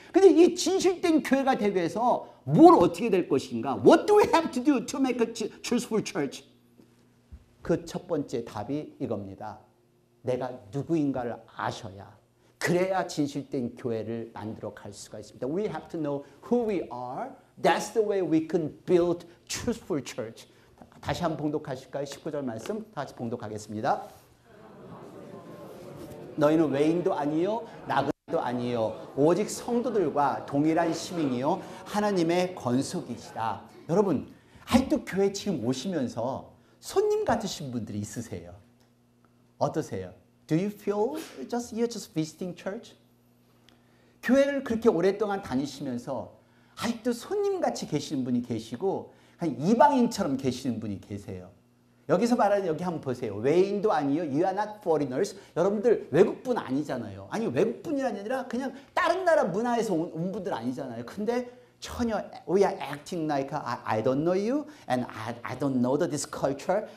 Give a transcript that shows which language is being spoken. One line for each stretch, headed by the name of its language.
Korean: 근데 이 진실된 교회가 되기 위해서 뭘 어떻게 될 것인가?
English: What do we have to do to make a truthful church?
Korean: 그 첫 번째 답이 이겁니다. 내가 누구인가를 아셔야 그래야 진실된 교회를 만들어 갈 수가 있습니다.
English: We have to know who we are. That's the way we can build truthful church.
Korean: 다시 한번 봉독하실까요? 19절 말씀 다시 봉독하겠습니다. 너희는 외인도 아니요 나그네도 아니요 오직 성도들과 동일한 시민이요 하나님의 권속이시다. 여러분, 하여튼 교회 지금 오시면서 손님 같으신 분들이 있으세요. 어떠세요?
English: Do you feel you're just visiting church?
Korean: 교회를 그렇게 오랫동안 다니시면서 아직도 손님같이 계시는 분이 계시고 그냥 이방인처럼 계시는 분이 계세요. 여기서 말하는 여기 한번 보세요. 외인도 아니요.
English: You are not foreigners.
Korean: 여러분들 외국분 아니잖아요. 아니 외국분이라는 게 아니라 그냥 다른 나라 문화에서 온 분들 아니잖아요. 근데 전혀
English: we are acting like I don't know you and I don't know this culture.